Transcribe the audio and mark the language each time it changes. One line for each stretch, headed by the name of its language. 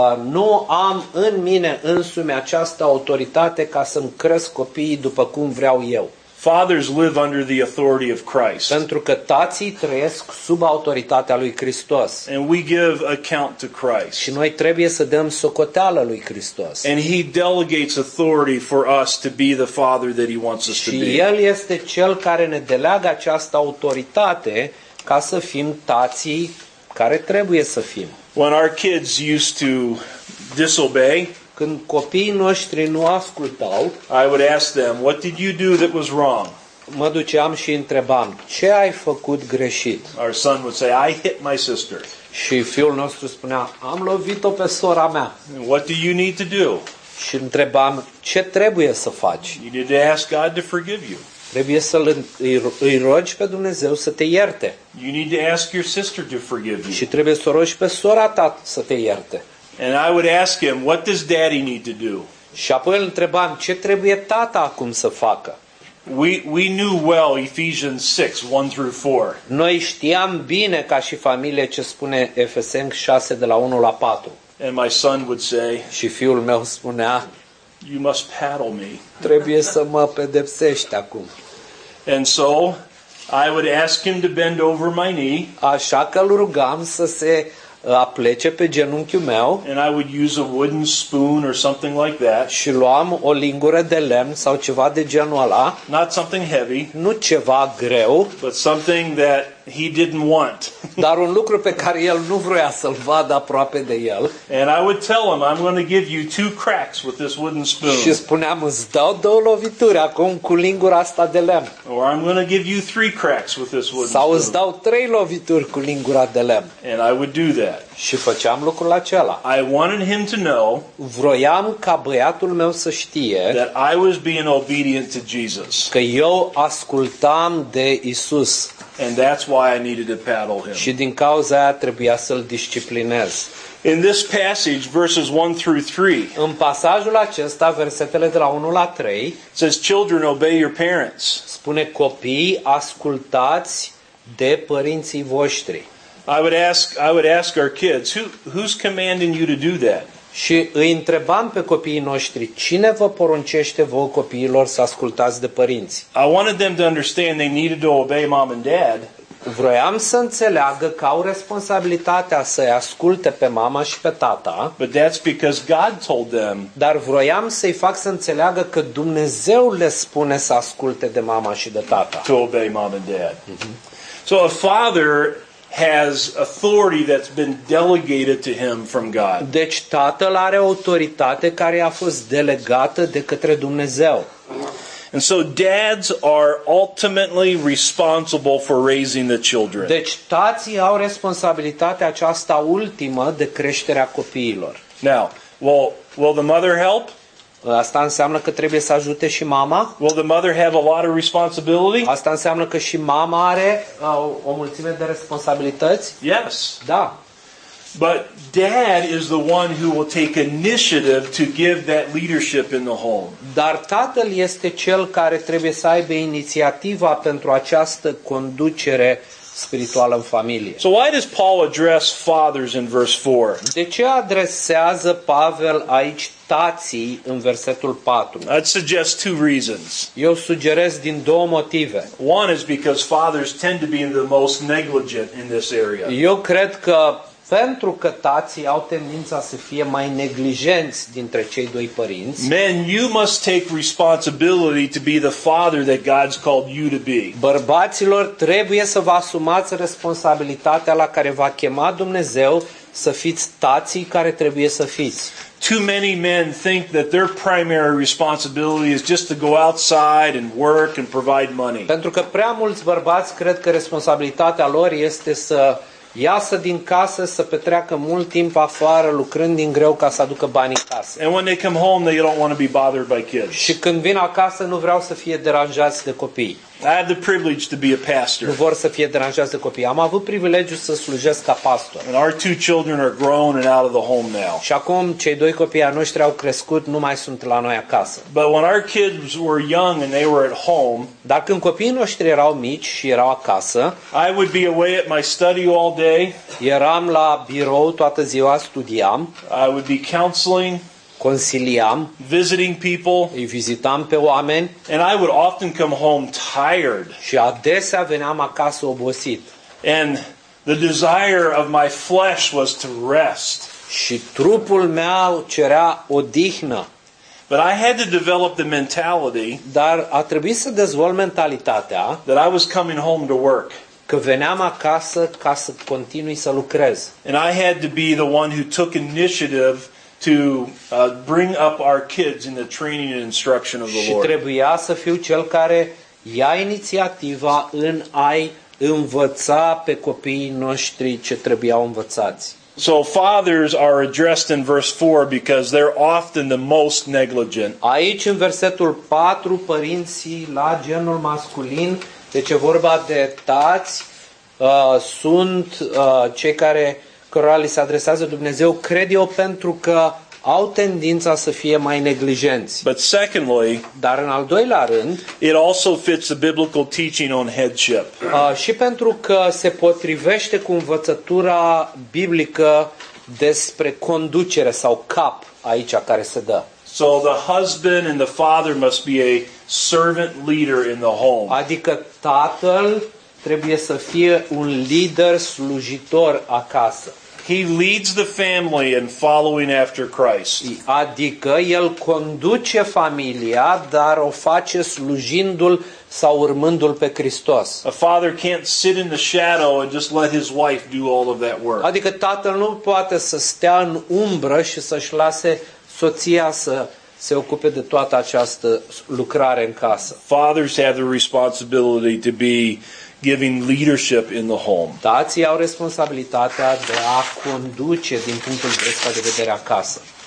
Romanian: Nu am în mine însumi această autoritate ca să-mi cresc copiii după cum vreau eu.
English: Fathers live under the authority of Christ.
Romanian: Pentru că tații trăiesc sub autoritatea lui Hristos.
English: And we give account to Christ.
Romanian: Și noi trebuie să dăm socoteală lui Hristos.
English: And he delegates authority for us to be the father that he wants us to be.
Romanian: Și el este cel care ne delegă această autoritate ca să fim tații care trebuie să fim.
English: When our kids used to disobey,
Romanian: când copiii noștri nu ascultau,
English: I would ask them, what did you do that was wrong?
Romanian: Mă duceam și întrebam, ce ai făcut greșit?
English: Our son would say, I hit my sister.
Romanian: Și fiul nostru spunea, am lovit-o pe sora mea.
English: And what do you need to do?
Romanian: Și întrebam, ce trebuie să faci?
English: You need to ask God to forgive you.
Romanian: Trebuie să îi rogi pe Dumnezeu să te ierte.
English: You need to ask your sister to forgive you.
Romanian: Și trebuie să o rogi pe sora ta să te ierte.
English: And I would ask him, what does daddy need to do?
Romanian: Și apoi îl întrebam, ce trebuie tata acum să facă?
English: We knew well Ephesians 6, 1 through 4.
Romanian: Noi știam bine ca și familie ce spune Efeseni 6, de la 1 la 4.
English: And my son would say,
Romanian: și fiul meu spunea,
English: you must paddle me.
Romanian: Trebuie să mă pedepsești acum.
English: And so, I would ask him to bend over my knee.
Romanian: Așa că îl rugam să se aplece pe genunchiul meu.
English: And I would use a wooden spoon or something like that.
Romanian: Și luam o lingură de lemn sau ceva de genul ăla.
English: Not something heavy.
Romanian: Nu ceva greu.
English: But something that he didn't want.
Romanian: Dar un lucru pe care el nu vroia să-l vadă aproape de el.
English: And I would tell him, I'm going to give you two cracks with this wooden spoon.
Romanian: Și spuneam, îți dau două lovituri acum cu lingura asta de lemn.
English: Or I'm going to give you three cracks with this wooden spoon.
Romanian: Sau îți dau trei lovituri cu lingura de lemn.
English: And I would do that.
Romanian: Și făceam lucrul acela.
English: I wanted him to know,
Romanian: vroiam ca băiatul meu să știe,
English: that I was being obedient to Jesus.
Romanian: Că eu ascultam de Isus.
English: And that's why I needed to paddle him.
Romanian: Și din cauza aia trebuia să-l disciplinez.
English: In this passage, verses 1 through 3.
Romanian: În pasajul acesta, versetele de la 1 la 3,
English: says children obey your parents.
Romanian: Spune copii, ascultați de părinții voștri.
English: I would ask our kids, who's commanding you to do that?
Romanian: Și îi întrebam pe copiii noștri, cine vă poruncește vouă copiilor să ascultați de părinți?
English: I wanted them to understand they needed to obey mom and dad.
Romanian: Vroiam să înțeleagă că au responsabilitatea să-i asculte pe mama și pe tata.
English: But that's because God told them.
Romanian: Dar vroiam să-i fac să înțeleagă că Dumnezeu le spune să asculte de mama și de tata.
English: To obey mom and dad. Mm-hmm. So a father has authority that's been delegated to him from God.
Romanian: Deci tatăl are autoritate care a fost delegată de către Dumnezeu.
English: And so dads are ultimately responsible for raising the children.
Romanian: Deci tații au responsabilitatea aceasta ultimă de creșterea copiilor.
English: Now, will the mother help?
Romanian: Asta înseamnă că trebuie să ajute și mama?
English: Will the mother have a lot of responsibility?
Romanian: Asta înseamnă că și mama are o mulțime de responsabilități?
English: Yes.
Romanian: Da.
English: But dad is the one who will take initiative to give that leadership in the home.
Romanian: Dar tatăl este cel care trebuie să aibă inițiativa pentru această conducere spirituală în familie.
English: So why does Paul address fathers in verse 4?
Romanian: De ce adresează Pavel aici tații în versetul 4?
English: I'd suggest two reasons.
Romanian: Eu sugerez din două motive.
English: One is because fathers tend to be the most negligent in this area.
Romanian: Eu cred că pentru că tații au tendința să fie mai neglijenți dintre cei doi părinți.
English: Men, you must take responsibility to be the father that God's called you to be.
Romanian: Bărbaților, trebuie să vă asumați responsabilitatea la care v-a chemat Dumnezeu să fiți tații care trebuie să fiți.
English: Too many men think that their primary responsibility is just to go outside and work and provide money.
Romanian: Pentru că prea mulți bărbați cred că responsabilitatea lor este să iasă din casă, să petreacă mult timp afară lucrând din greu ca să aducă bani în casă.
English: And when they come home, they don't want to be bothered by kids.
Romanian: Și când vin acasă, nu vreau să fie deranjați de copii.
English: I had the privilege to be a pastor.
Romanian: Nu vor să fie deranjați de copii. Am avut privilegiul să slujesc ca pastor.
English: And our two children are grown and out of the home now.
Romanian: Și acum cei doi copii ai noștri au crescut, nu mai sunt la noi acasă.
English: But when our kids were young and they were at home,
Romanian: dar când copiii noștri erau mici și erau acasă,
English: I would be away at my study all day.
Romanian: Eram la birou toată ziua, studiam.
English: I would be counseling.
Romanian: Consiliam,
English: visiting people,
Romanian: îi vizitam pe oameni,
English: and I would often come home tired.
Romanian: Și adesea veneam acasă obosit.
English: And the desire of my flesh was to rest.
Romanian: Și trupul meu cerea odihnă.
English: But I had to develop the mentality.
Romanian: Dar a trebuit să dezvolt mentalitatea.
English: That I was coming home to work.
Romanian: Că veneam acasă ca să continui să lucrez.
English: And I had to be the one who took initiative to bring up our kids in the training and instruction of the Lord.
Romanian: Și trebuia să fiu cel care ia inițiativa în a-i învăța pe copiii noștri ce trebuiau învățați.
English: So fathers are addressed in verse 4 because they're often the most negligent.
Romanian: Aici în versetul 4 părinții la genul masculin, deci e vorba de tați, sunt cei care cărora li se adresează Dumnezeu, cred eu, pentru că au tendința să fie mai neglijenți.
English: But secondly,
Romanian: dar în al doilea rând,
English: it also fits the biblical teaching on headship.
Romanian: Și pentru că se potrivește cu învățătura biblică despre conducere sau cap aici care se dă.
English: So the husband and the father must be a servant leader in the home.
Romanian: Adică tatăl trebuie să fie un lider slujitor acasă.
English: He leads the family in following after Christ.
Romanian: Adică el conduce familia, dar o face slujindu-l sau urmându-l pe Hristos.
English: A father can't sit in the shadow and just let his wife do all of that work.
Romanian: Adică tatăl nu poate să stea în umbră și să-și lase soția să se ocupe de toată această lucrare în casă.
English: Fathers have the responsibility to be giving leadership in the home.
Romanian: Tații au responsabilitatea de a conduce din punctul ăsta de vedere acasă.